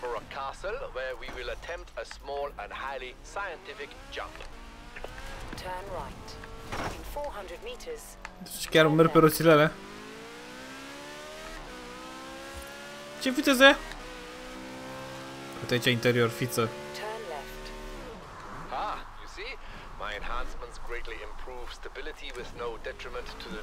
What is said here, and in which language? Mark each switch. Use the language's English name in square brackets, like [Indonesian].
[English] Castle, where we will attempt a small and highly scientific jump. Turn right. In 400 meters. [Romanian] Deci chiar merg pe roțile alea. Ce viteză? Uite aici interior, fiță. [English] Turn left. Ah, you see? My enhancements greatly improve stability with no detriment to the